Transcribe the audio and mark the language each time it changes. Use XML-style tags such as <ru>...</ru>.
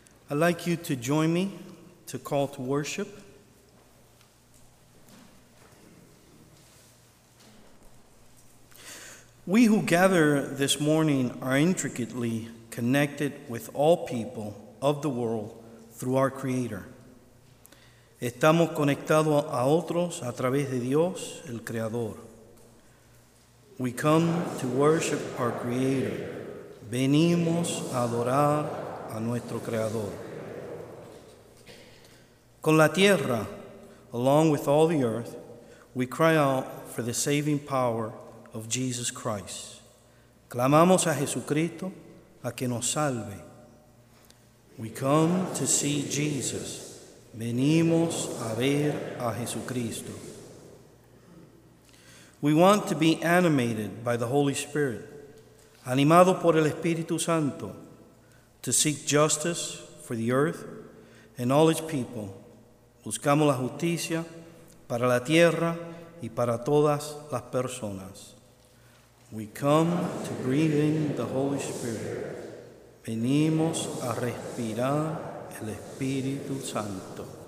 <en>I'd like you to join me to call to worship. We who gather this morning are intricately connected with all people of the world through our Creator.</en> <es>Estamos conectados a otros a través de Dios, el Creador.</es> <en>We come to worship our Creator.</en> <es>Venimos a adorar a nuestro Creador. Con la tierra,</es> <en>along with all the earth, we cry out for the saving power of Jesus Christ.</en> <es>Clamamos a Jesucristo a que nos salve.</es> <en>We come to see Jesus.</en> <es>Venimos a ver a Jesucristo.</es> <en>We want to be animated by the Holy Spirit,</en> <es>animado por el Espíritu Santo,</es> <en>to seek justice for the earth and all its people.</en> <es>Buscamos la justicia para la tierra y para todas las personas.</es> <en>We come to breathe in the Holy Spirit.</en> <es>Venimos a respirar el Espíritu Santo.</es>